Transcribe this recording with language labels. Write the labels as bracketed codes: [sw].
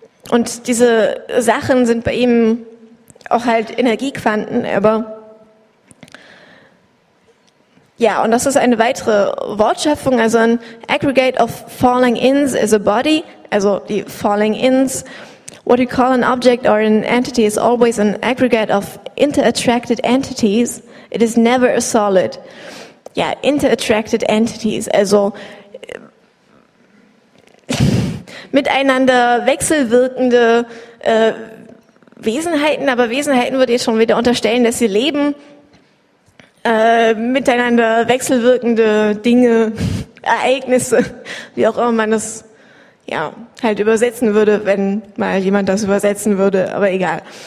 [de] Und diese Sachen sind bei ihm auch halt Energiequanten, aber ja, und das ist eine weitere Wortschöpfung, also ein [en] aggregate of falling ins is a body, [de] also die [en] falling ins. What you call an object or an entity is always an aggregate of interattracted entities. It is never a solid. [de] Ja, [en] interattracted entities, [de] also miteinander wechselwirkende Wesenheiten, aber Wesenheiten würde ich schon wieder unterstellen, dass sie leben. Miteinander wechselwirkende Dinge, Ereignisse, wie auch immer man das ja halt übersetzen würde, wenn mal jemand das übersetzen würde, aber egal.